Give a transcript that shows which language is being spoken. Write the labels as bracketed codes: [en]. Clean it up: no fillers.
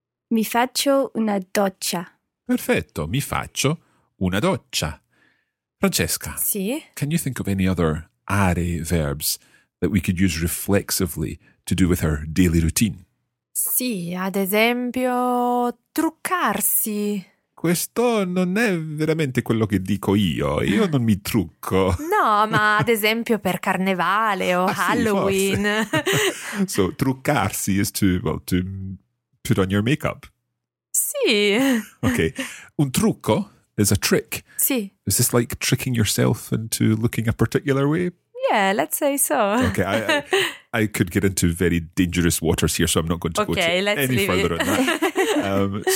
[it] Mi faccio una doccia. Perfetto. Mi faccio una doccia. Francesca, sì. [en] Can you think of any other are verbs that we could use reflexively to do with our daily routine? [it] Sì, ad esempio, truccarsi. Questo non è veramente quello che dico io. Io non mi trucco. No, ma ad esempio per carnevale o Halloween. Sì, [en] so, truccarsi is to put on your makeup. [it] Sì. [en] Ok, [it] un trucco [en] is a trick. [it] Sì. [en] Is this like tricking yourself into looking a particular way? Yeah, let's say so. Okay, I could get into very dangerous waters here, so I'm not going to go further on that.